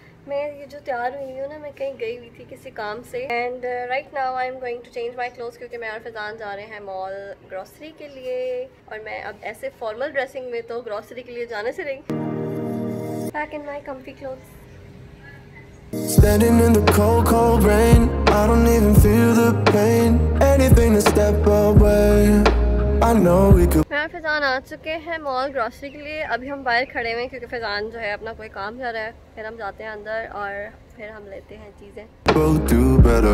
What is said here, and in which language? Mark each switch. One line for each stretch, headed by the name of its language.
Hindi: मैं ये जो तैयार हुई हूँ ना, मैं कहीं गई हुई थी किसी काम से
English: and right now I am going to change my cloth
Hindi: क्योंकि मैं और फैजान जा रहे हैं मॉल ग्रॉसरी के लिए और मैं अब ऐसे फॉर्मल ड्रेसिंग में तो ग्रॉसरी के लिए जाने से रही
English: Back in my comfy cloth. Standing in the cold, cold rain, I don't even feel the pain, anything to step away.
Hindi: मैं फैजान आ चुके हैं मॉल ग्रॉसरी के लिए. अभी हम बाहर खड़े हुए हैं क्योंकि फैजान जो है अपना कोई काम जा रहा है. फिर हम जाते हैं अंदर और फिर हम लेते हैं चीजें.